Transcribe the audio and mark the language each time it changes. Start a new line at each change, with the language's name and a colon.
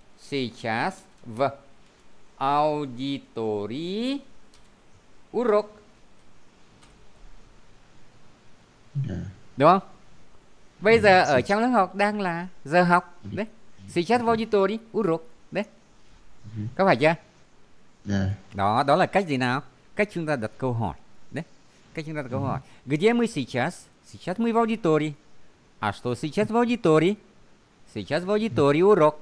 Russian: Сейчас в аудитории урок.
Vietnamese: Đúng không? Bây giờ ở trong lớp học đang là giờ học. Đấy.
Russian: Сейчас в аудитории урок.
Vietnamese: Đấy. Có phải chưa? Đó, đó là cách gì nào? Cách chúng ta đặt câu hỏi. Cách chúng ta đặt câu hỏi.
Russian: Где мы сейчас? Сейчас мы в аудитории. А что сейчас в аудитории? Сейчас в аудитории урок.